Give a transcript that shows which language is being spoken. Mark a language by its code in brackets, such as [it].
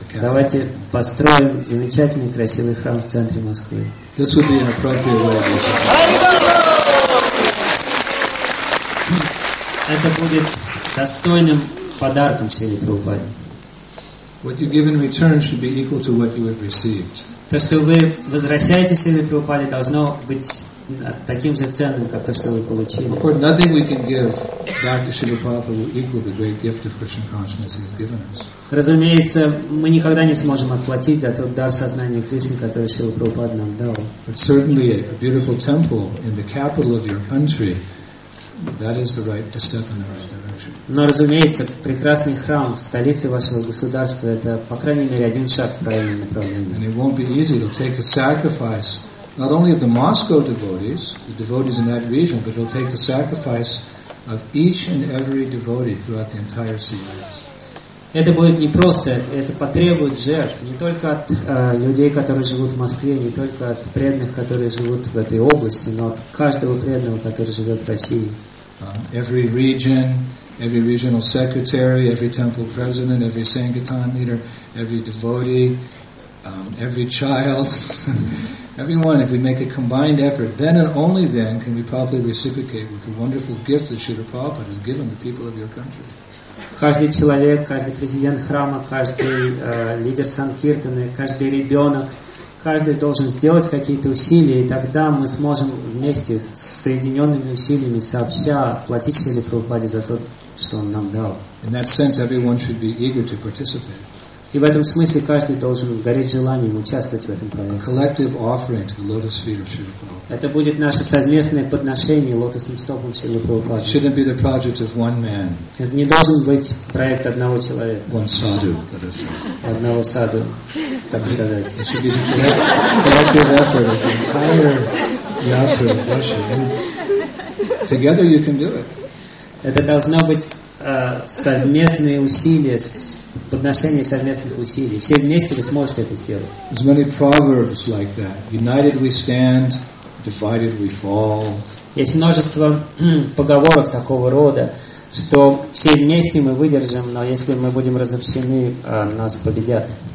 [ru] Давайте построим замечательный красивый храм в центре Москвы. [en] This would be an appropriate way of worshiping. [ru] Это будет достойным подарком Шриле Прабхупаде. [en] What you give in return should be equal to what you have received. [ru] То, что вы возвращаете Шриле Прабхупаде, должно быть таким же ценным, как то, что вы получили. [en] Of course, nothing we can give back to Srila Prabhupada will equal the great gift of Krishna consciousness he has given us. [ru] Разумеется, мы никогда не сможем отплатить за тот дар сознания Кришны, который Шрила Прабхупада нам дал. [en] But certainly a beautiful temple in the capital of your country, that is the right step in the right direction. [ru] Но, разумеется, прекрасный храм в столице вашего государства – это, по крайней мере, один шаг в правильном направлении. [en] And it won't be easy. It'll take the sacrifice not only of the Moscow devotees, the devotees in that region, but it'll take the sacrifice of each and every devotee throughout the entire CIS. [ru] Это будет непросто. Это потребует жертв не только от людей, которые живут в Москве, не только от преданных, которые живут в этой области, но от каждого преданного, который живет в России. [en] Every region, every regional secretary, every temple president, every sankirtan leader, every devotee, every child, everyone, if we make a combined effort, then and only then can we properly reciprocate with the wonderful gift that Srila Prabhupada has given the people of your country. [ru] каждый человек, каждый президент храма, каждый лидер Санкиртаны, каждый ребенок, каждый должен сделать какие-то усилия, и тогда мы сможем вместе с соединенными усилиями сообща отплатить Шриле Прабхупаде за то, что он нам дал. [en] In that sense, everyone should be eager to participate. [ru] И в этом смысле каждый должен гореть желанием участвовать в этом проекте. [en] A collective offering to the lotus feet of Shri Prabhupada. [ru] Это будет наше совместное подношение лотосным стопам Шрилы Прабхупады. [en] It shouldn't be the project of one man. [ru] Это не должен быть проект одного человека. [en] One sadhu, let us say. [ru] Одного саду, так сказать. [en] It should be the collective effort of the entire yatra of Russia. Together you can do it. [ru] Это должно быть совместные усилия, подношение совместных усилий. Все вместе вы сможете это сделать. [en] There's many proverbs like that. United we stand, divided we fall. [ru] Есть множество поговоров такого рода, что все вместе мы выдержим, но если мы будем разобщены, нас победят.